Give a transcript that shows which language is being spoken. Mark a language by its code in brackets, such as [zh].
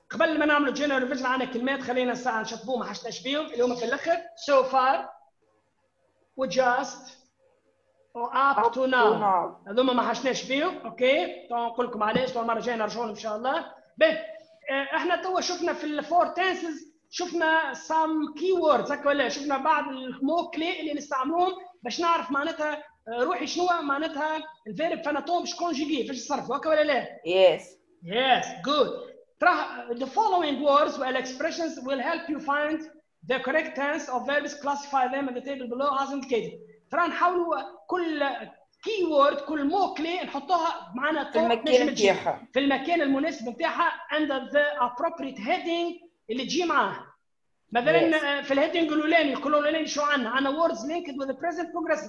[ar] قبل ما نعمل جينرال ريفيجن عنا كلمات خلينا الساعة نشطبو ما حشتاش بيهم اليوم في الأخر so far و just و up to now هذوما ما حشناش بيهم اوكي طبعا نقول لكم علاش طبعا المرة الجاية نرجعولهم إن شاء الله به احنا توا شفنا في الفور تنسز شفنا سام كي ووردز هكا ولا شفنا بعض الموكلي اللي نستعملوهم باش نعرف معناتها روحي شنو معناتها الفيرب فاناتوم باش كونجيكي باش نصرفوا هكا ولا لا [en] yes good The following words or expressions will help you find the correct tense of verbs. Classify them in the table below as indicated. [ar] ترى نحاول كل keyword كل موكلي نحطها معنا في المكان نتاعها في المكان المناسب نتاعها [en] under the appropriate heading [ar] اللي تجي معاها. مثلا في الهيدنج الاولاني يقولوا لنا شو عنا؟ عنا [en] words linked with the present progressive.